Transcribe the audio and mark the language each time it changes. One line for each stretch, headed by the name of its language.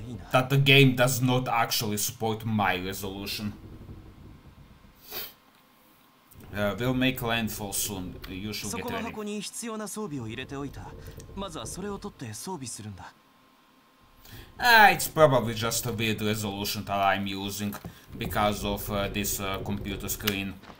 English: That the game does not actually support my resolution. We'll make landfall soon. You should get ready.
Japanese: そこの箱に必要な装備を入れておいた。まずはそれを取って装備するんだ。
English: It's probably just a weird resolution that I'm using because of this computer screen.